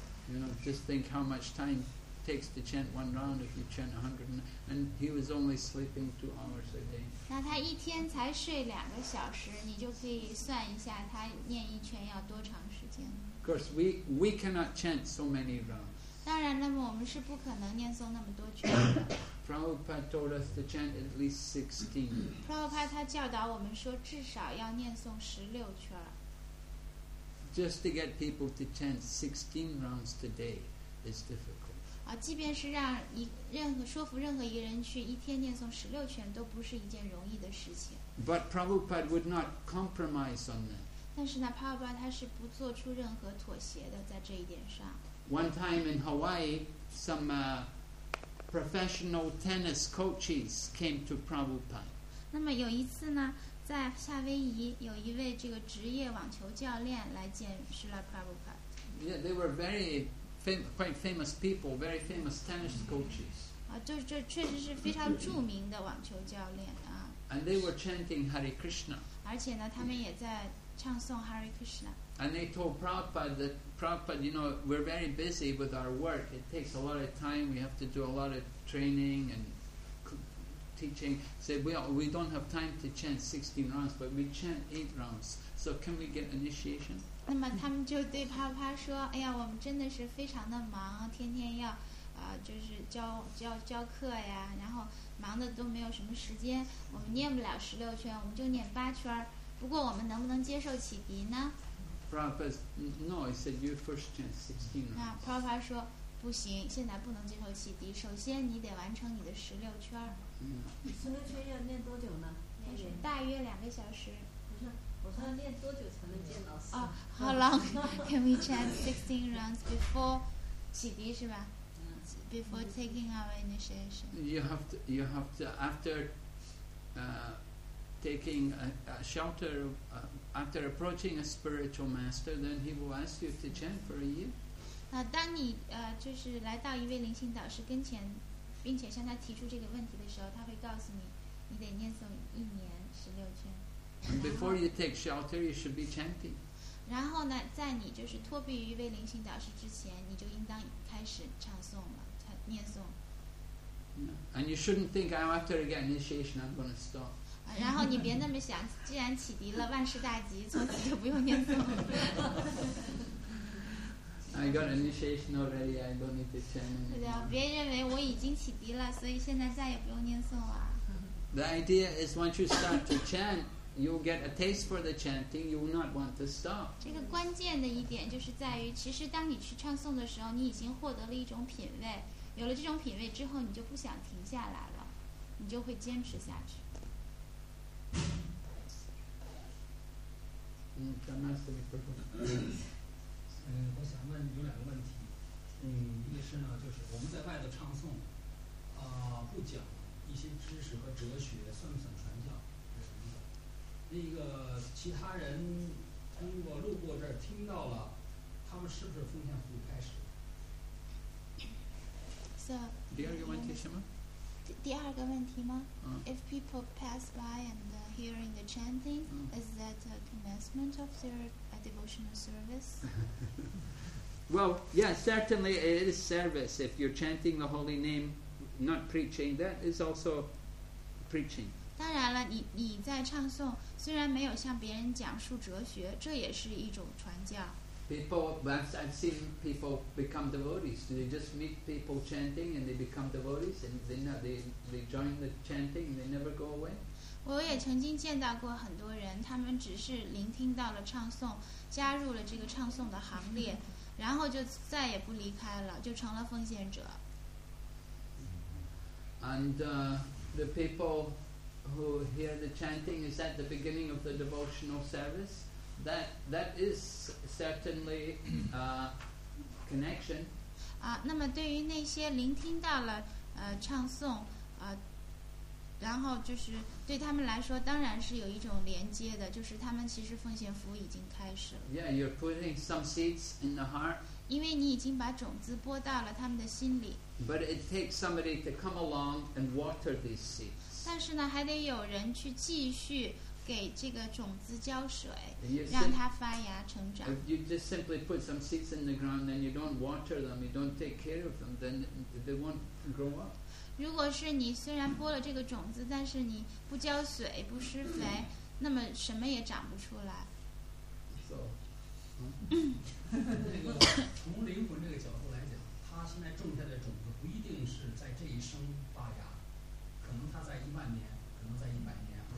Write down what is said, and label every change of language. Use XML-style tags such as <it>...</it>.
<en>You know, just think how much time takes to chant one round if you chant 100, and he was only sleeping 2 hours a day.</en> <zh>那他一天才睡两个小时，你就可以算一下他念一圈要多长时间。</zh> <en>Of course, we cannot chant so many rounds.</en> <zh>当然，那么我们是不可能念诵那么多圈。</zh> <en>Prabhupada told us to chant at least 16.</en> <zh>Prabhupada 他教导我们说，至少要念诵十六圈。</zh> <en>Just to get people to chant 16 rounds today is difficult.</en> <zh>即便是让任何一个人去一天念诵十六圈，都不是一件容易的事情。</zh> <en>But Prabhupada would not compromise on that.</en> <zh>但是呢 ，Prabhupada 他是不做出任何妥协的，在这一点上。</zh> <en>One time in Hawaii, some professional tennis coaches came to Prabhupada.</en> <zh>那么有一次呢，在夏威夷有一位这个职业网球教练来见释迦牟尼佛。</zh> <en>Yeah, they were very quite famous people, very famous tennis coaches.</en> <zh>这确实是非常著名的网球教练啊。</zh> <en>And they were chanting Hare Krishna.</en> <zh>而且呢，他们也在唱诵 Hare Krishna。</zh> <en>And they told Prabhupada that, Prabhupada, you know, we're very busy with our work. It takes a lot of time. We have to do a lot of training and teaching. Said, we don't have time to chant 16 rounds, but we chant 8 rounds. So can we get initiation?</en> <zh>那么他们就对 Prabhupada 说，哎呀，我们真的是非常的忙，天天要就是教课呀，然后忙的都没有什么时间。我们念不了16圈，我们就念8圈。不过我们能不能接受启迪呢？</zh> <en>Prabhupada, no, he said, you first chant 16 rounds.</en> <zh>那 Prabhupada 说不行，现在不能接受启迪，首先你得完成你的十六圈。嗯，十六圈要练多久呢？大约两个小时。不是，我说练多久才能见老师？</zh> <en>哦、How long can we chant 16 rounds before</en> <zh>启迪是吧？嗯。</zh> <en>Before taking our initiation. You have to after, taking a shelter of, after approaching a spiritual master, then he will ask you to chant for a year.</en> <zh>当你就是来到一位灵性导师跟前，并且向他提出这个问题的时候，他会告诉你，你得念诵一年十六圈。</zh> <en>And before you take shelter, you should be chanting.</en> <zh>然后呢，在你就是托庇于一位灵性导师之前，你就应当开始唱诵了，念诵。</zh> <en>Yeah. And you shouldn't think, oh, after I get initiation, I'm going to stop.</en> <zh>然后你别那么想，既然启迪了，万事大吉，从此就不用念诵了。</zh> <en>I got initiation already. I don't need to chant.</en> <zh>对啊，别认为我已经启迪了，所以现在再也不用念诵了。</zh> <en>The idea is, once you start to chant, you'll get a taste for the chanting. You will not want to stop.</en> <zh>这个关键的一点就是在于，其实当你去唱诵的时候，你已经获得了一种品味。有了这种品味之后，你就不想停下来了，你就会坚持下去。</zh> <en>Mm, that must be perfect.</en> <zh>我想问有两个问题。一个是呢，就是我们在外头唱诵，不讲一些知识和哲学，算不算传教？是什么？那个其他人通过路过这儿听到了，他们是不是风向不开始？是。第二个问题是什么？第二个问题吗？</zh> <en>If people pass by and hearing the chanting, is that a commencement of their devotional service? Well, yeah, certainly it is service. If you're chanting the holy name, not preaching, that is also preaching.</en> <zh>当然了，你在唱诵，虽然没有向别人讲述哲学，这也是一种传教。</zh> <en>I've seen people become devotees. They just meet people chanting and they become devotees, and they join the chanting and they never go away.</en> <zh>我也曾经见到过很多人，他们只是聆听到了唱诵，加入了这个唱诵的行列，然后就再也不离开了，就成了奉献者。</zh> <en>And the people who hear the chanting is at the beginning of the devotional service. That is certainly connection.</en> <zh>那么对于那些聆听到了唱诵然后就是对他们来说当然是有一种连接的，就是他们其实奉献服务已经开始了。</zh> <en>Yeah, you're putting some seeds in the heart.</en> <zh>因为你已经把种子播到了他们的心里。</zh> <en>But it takes somebody to come along and water these seeds.</en> <zh>但是呢，还得有人去继续。给这个种子浇水，让它发芽成长。</zh> <en>If you just simply put some seeds in the ground and you don't water them, you don't take care of them, then they won't grow up.</en> <zh>如果是你虽然播了这个种子，但是你不浇水、不施肥，那么什么也长不出来。从灵魂这个角度来讲，他现在种下的种子不一定是在这一生发芽，可能他在一万年，可能在一百年。</zh>